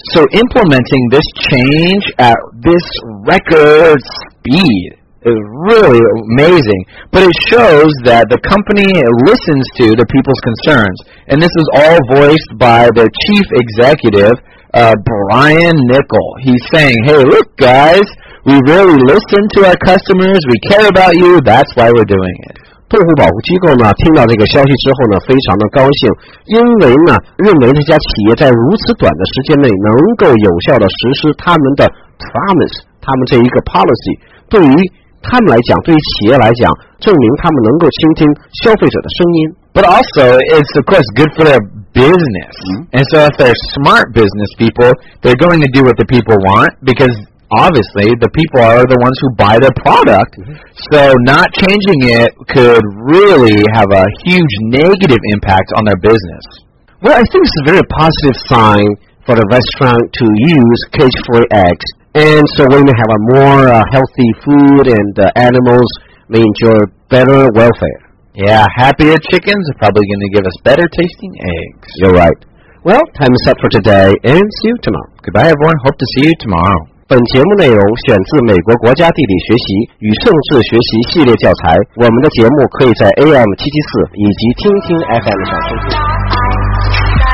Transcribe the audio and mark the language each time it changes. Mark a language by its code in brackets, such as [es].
[en] So implementing this change at this record speed is really amazing. But it shows that the company listens to the people's concerns. And this is all voiced by their chief executive,Brian Nickel. He's saying, hey, look, guys, we really listen to our customers. We care about you. That's why we're doing it. [zh] 动物保护机构呢听到这个消息之后呢非常的高兴，因为呢认为这家企业在如此短的时间内能够有效的实施他们的 promise， 他们这一个 policy， 对于他们来讲，对于企业来讲，证明他们能够倾听消费者的声音。 [en] But also it's of course good for their business、 mm-hmm. And so if they're smart business people, they're going to do what the people want, becauseobviously, the people are the ones who buy the product,、 mm-hmm. so not changing it could really have a huge negative impact on their business. Well, I think it's a very positive sign for the restaurant to use cage-free eggs, and so we may have a more、healthy food, and the animals may enjoy better welfare. Yeah, happier chickens are probably going to give us better-tasting eggs. You're right. Well, time is up for today, and see you tomorrow. Goodbye, everyone. Hope to see you tomorrow. [zh] 本节目内容选自美国国家地理学习与政治学习系列教材，我们的节目可以在 AM774 以及听听 FM 上收听。